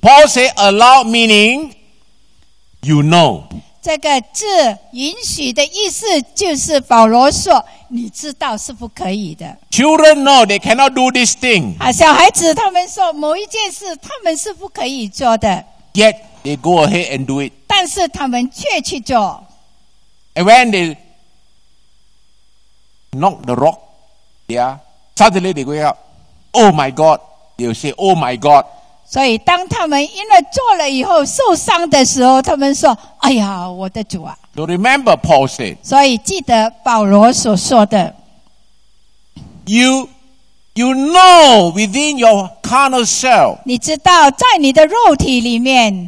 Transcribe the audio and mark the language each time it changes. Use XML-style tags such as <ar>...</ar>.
<en>Paul say allow meaning you know.</en> <zh>这个字允许的意思就是保罗说你知道是不可以的。</zh> <en>Children know they cannot do this thing.</en> <zh>小孩子他们说某一件事他们是不可以做的。</zh> <en>Yet they go ahead and do it.</en> <zh>但是他们却去做。</zh> <en>And when they knock the rock, yeah, suddenly they go out, oh my God, they'll say, oh my God.</en> <zh>所以当他们因为做了以后受伤的时候，他们说，哎呀，我的主啊。</zh> <en>So remember Paul said.</en> <zh>所以记得保罗所说的。</zh> <en>You know within your carnal self.</en> <zh>你知道在你的肉体里面。</zh>